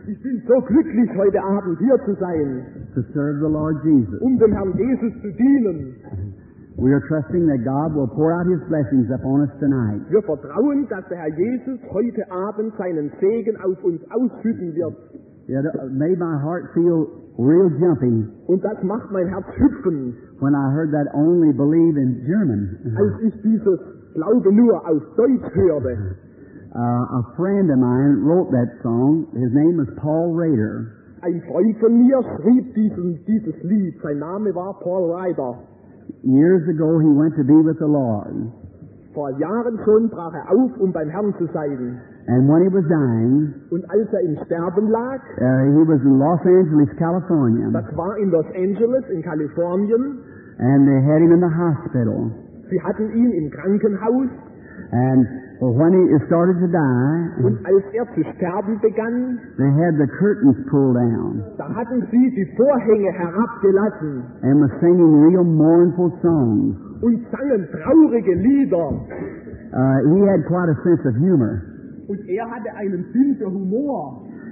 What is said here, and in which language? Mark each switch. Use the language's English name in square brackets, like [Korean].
[German] Ich bin so glücklich, heute Abend hier zu sein. [English] To serve the Lord Jesus. [German] Dem Herrn Jesus zu dienen. [English] We are trusting that God will pour out His blessings upon us tonight. [German] Wir vertrauen, dass der Herr Jesus heute Abend seinen Segen auf uns ausschütten wird. [English] Yeah, that made my heart feel real jumpy. [German] Und das macht mein Herz hüpfen. [English] When I heard that only believe in German. [German] Als ich dieses Glaube nur auf Deutsch hörte. [English] A friend of mine wrote that song. His name is Paul Rader. [German] Ein Freund von mir schrieb dieses Lied. Sein Name war Paul Rader. [English] Years ago he went to be with the Lord. [German] Vor Jahren schon brach auf, beim Herrn zu sein. [English] And when he was dying, [German] und als im Sterben lag, [English] he was in Los Angeles, California. [German] Das war in Los Angeles, in Kalifornien. [English] And they had him in the hospital. [German] Sie hatten ihn im Krankenhaus. [English] And when he started to die, [German] und als zu sterben begann, [English] they had the curtains pulled down. [German] Da hatten sie die Vorhänge herabgelassen. [English] And were singing real mournful songs. [German] Und sangen traurige Lieder. [English] He had quite a sense of humor. [German] Und hatte einen Sinn für Humor.